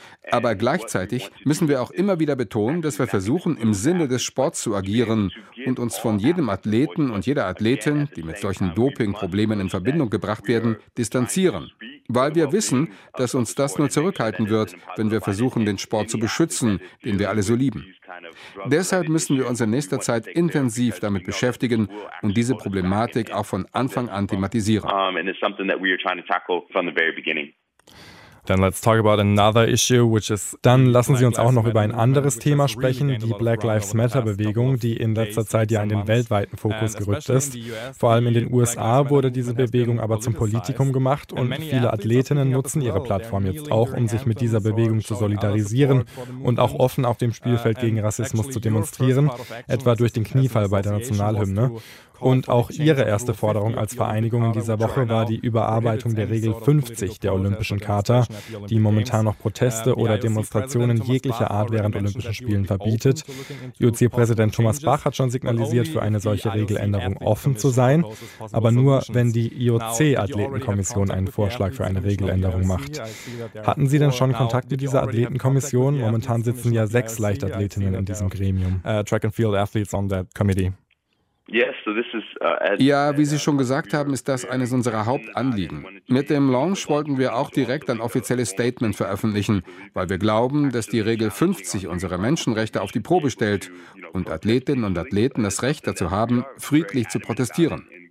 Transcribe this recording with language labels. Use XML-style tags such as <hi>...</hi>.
<de>Aber gleichzeitig müssen wir auch immer wieder betonen, dass wir versuchen, im Sinne des Sports zu agieren und uns von jedem Athleten und jeder Athletin, die mit solchen Dopingproblemen in Verbindung gebracht werden, distanzieren. Weil wir wissen, dass uns das nur zurückhalten wird, wenn wir versuchen, den Sport zu beschützen, den wir alle so lieben. Deshalb müssen wir uns in nächster Zeit intensiv damit beschäftigen und diese Problematik auch von Anfang an thematisieren.</de> <en>Then let's talk about another issue, which is.</en> <de>Dann lassen Sie uns auch noch über ein anderes Thema sprechen, die Black Lives Matter-Bewegung, die in letzter Zeit ja in den weltweiten Fokus gerückt ist. Vor allem in den USA wurde diese Bewegung aber zum Politikum gemacht und viele Athletinnen nutzen ihre Plattform jetzt auch, um sich mit dieser Bewegung zu solidarisieren und auch offen auf dem Spielfeld gegen Rassismus zu demonstrieren, etwa durch den Kniefall bei der Nationalhymne. Und auch Ihre erste Forderung als Vereinigung in dieser Woche war die Überarbeitung der Regel 50 der Olympischen Charta, die momentan noch Proteste oder Demonstrationen jeglicher Art während Olympischen Spielen verbietet. IOC-Präsident Thomas Bach hat schon signalisiert, für eine solche Regeländerung offen zu sein, aber nur, wenn die IOC-Athletenkommission einen Vorschlag für eine Regeländerung macht. Hatten Sie denn schon Kontakt mit dieser Athletenkommission? Momentan sitzen ja 6 Leichtathletinnen in diesem Gremium.</de> <en>Track and field athletes on that committee.</en> <de>Ja, wie Sie schon gesagt haben, ist das eines unserer Hauptanliegen. Mit dem Launch wollten wir auch direkt ein offizielles Statement veröffentlichen, weil wir glauben, dass die Regel 50 unsere Menschenrechte auf die Probe stellt und Athletinnen und Athleten das Recht dazu haben, friedlich zu protestieren.</de>